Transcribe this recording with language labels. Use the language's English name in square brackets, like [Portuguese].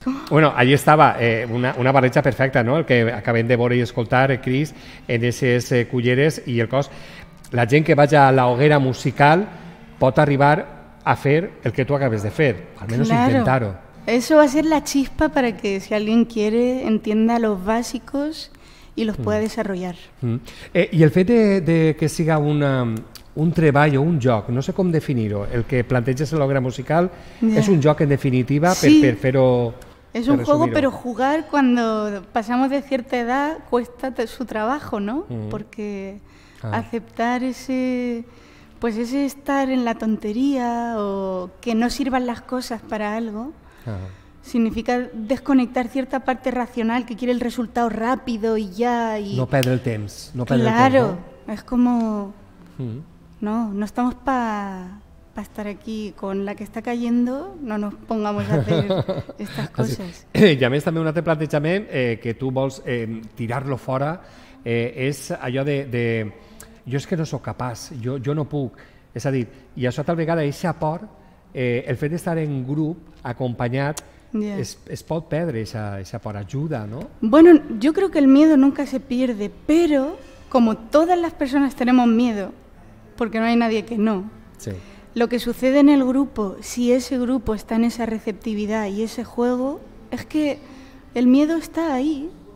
[Catalan] Bueno, [Spanish] allí estaba, [Catalan] una barreja perfecta, ¿no? El que acaben de veure i escoltar, Cris, en aquestes culleres i el cos. La gent que vagi a la hoguera musical pot arribar a fer el que tu acabes de fer, almenys intentar-ho. [Spanish] Eso va a ser la chispa para que si alguien quiere entienda los básicos y los pueda desarrollar. [Catalan] I el fet de que siga un treball o un joc, no sé com definir-ho, el que planteges en l'hoguera musical és un joc en definitiva per fer-ho... [Spanish] Es un juego, pero jugar cuando pasamos de cierta edad cuesta su trabajo, ¿no? Porque Aceptar ese, pues ese estar en la tontería o que no sirvan las cosas para algo, significa desconectar cierta parte racional que quiere el resultado rápido y ya. Y [Catalan] no perder el temps. No [Spanish] perder claro, [Catalan] el temps, [Spanish] ¿no? Es como, no, no estamos para pa estar aquí con la que está cayendo, no nos pongamos a hacer estas cosas. [Catalan] Llamés también un altre plantejament que tú vols [Spanish] tirarlo fuera. [Catalan] És allò de jo és que no sóc capaç, jo no puc, és a dir, i això tal vegada eixa por, el fet d'estar en grup acompanyat es pot perdre eixa por, ajuda, no? [Spanish] Bueno, yo creo que el miedo nunca se pierde, pero como todas las personas tenemos miedo, porque no hay nadie que no. Sí. Lo que sucede en el grupo, si ese grupo está en esa receptividad y ese juego, es que el miedo está ahí.